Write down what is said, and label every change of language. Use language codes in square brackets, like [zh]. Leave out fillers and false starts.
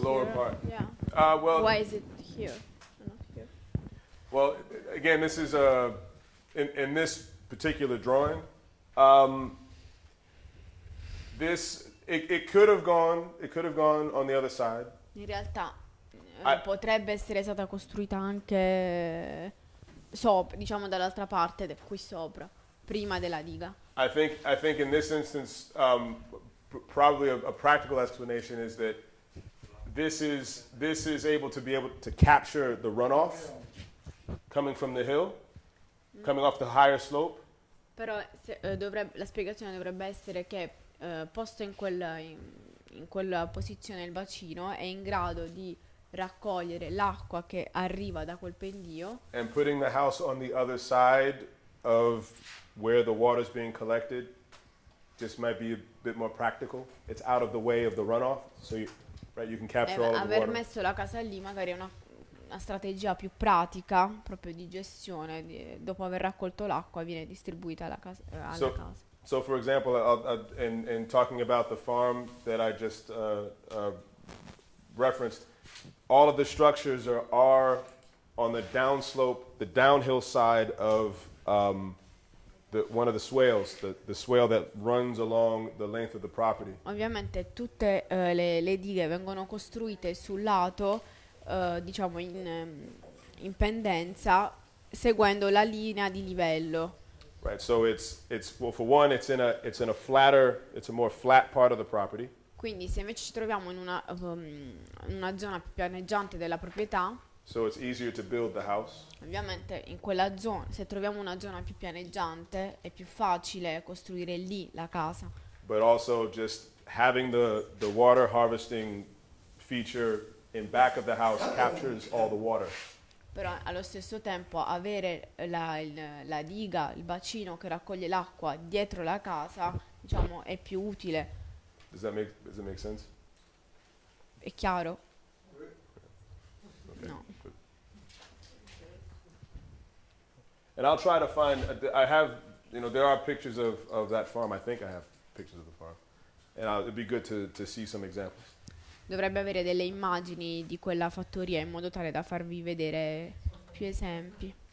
[en] here, lower part. Yeah. Well. Why is it here, not here? Well, again, this is in this particular drawing. It could have gone on the other side. [it] In realtà, potrebbe essere stata costruita anche sopra, diciamo dall'altra parte, qui sopra, prima della diga. [en] I think in this instance, probably a practical explanation is that this is able to capture the runoff coming from the hill, coming off the higher slope. [it] Però la spiegazione dovrebbe essere che posto in quella posizione il bacino è in grado di raccogliere l'acqua che arriva da quel pendio. [en] And putting the house on the other side of where the water is being collected just might be a bit more practical. It's out of the way of the runoff, so you can capture all the water. [it] Aver messo la casa lì magari è una strategia più pratica proprio di gestione. Dopo aver raccolto l'acqua viene distribuita alla casa. [en] So for example, in talking about the farm that I just referenced, all of the structures are on the downslope, the downhill side of one of the swales, the swale that runs along the length of the property. [it] Ovviamente tutte le dighe vengono costruite sul lato, diciamo in pendenza, seguendo la linea di livello. [en] Right, so it's well, for one, it's a more flat part of the property. [it] Quindi se invece ci troviamo in una zona più pianeggiante della proprietà. [en] So it's easier to build the house. [it] Ovviamente in quella zona, se troviamo una zona più pianeggiante, è più facile costruire lì la casa. [en] But also just having the water harvesting feature in back of the house captures all the water. [it] Però allo stesso tempo avere la diga, il bacino che raccoglie l'acqua dietro la casa, diciamo, è più utile. [en] Does that make sense? [it] È chiaro? [en] Okay. No. And I'll try to find, I have, you know, there are pictures of that farm. I think I have pictures of the farm. And it'd be good to see some examples. [it] Dovrebbe avere delle immagini di quella fattoria in modo tale da farvi vedere più esempi.